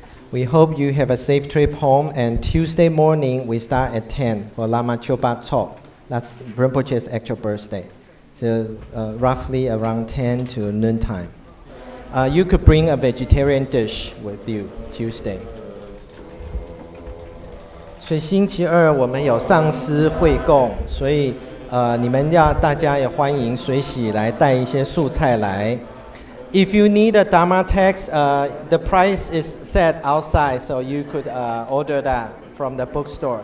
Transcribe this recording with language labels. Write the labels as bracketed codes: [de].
[en] We hope you have a safe trip home, and Tuesday morning we start at 10 for Lama Chopa Chok. That's Rinpoche's actual birthday. So roughly around 10 to noontime. You could bring a vegetarian dish with you Tuesday. [zh] 所以星期二我们有上师会供，所以你们要大家也欢迎随喜来带一些素菜来。 [en] If you need a Dharma text, the price is set outside, so you could order that from the bookstore.